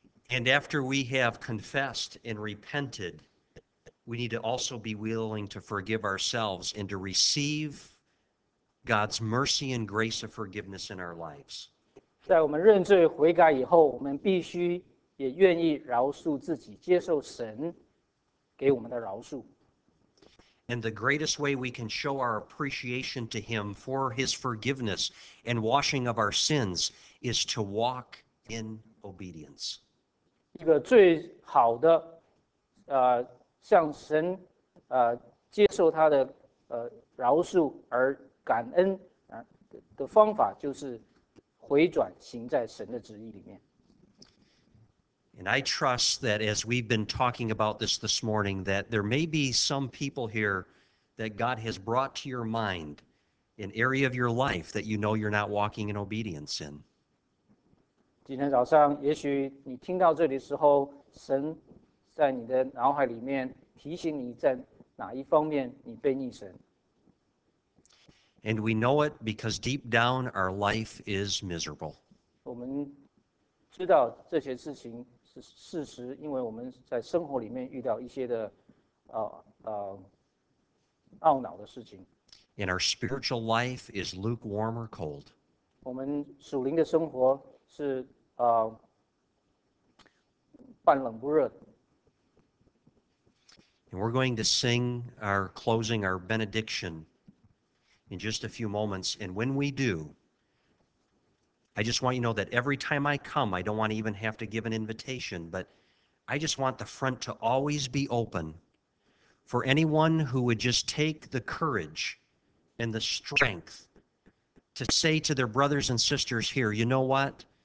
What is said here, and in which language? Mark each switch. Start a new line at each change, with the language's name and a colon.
English: And after we have confessed and repented, we need to also be willing to forgive ourselves and to receive God's mercy and grace of forgiveness in our lives.
Chinese: 在我们认罪悔改以后，我们必须也愿意饶恕自己，接受神给我们的饶恕。
English: And the greatest way we can show our appreciation to him for his forgiveness and washing of our sins is to walk in obedience.
Chinese: 一个最好的，向神，接受他的，饶恕而感恩，的方法就是回转行在神的旨意里面。
English: And I trust that as we've been talking about this morning, that there may be some people here that God has brought to your mind an area of your life that you know you're not walking in obedience in.
Chinese: 今天早上，也许你听到这里的时候，神在你的脑海里面提醒你在哪一方面你背逆神。
English: And we know it because deep down our life is miserable.
Chinese: 我们知道这些事情。是事实，因为我们在生活里面遇到一些的，懊恼的事情。
English: And our spiritual life is lukewarm or cold.
Chinese: 我们属灵的生活是半冷不热。
English: And we're going to sing our closing, our benediction, in just a few moments. And when we do. I just want you to know that every time I come, I don't want to even have to give an invitation, but I just want the front to always be open for anyone who would just take the courage and the strength to say to their brothers and sisters here, you know what?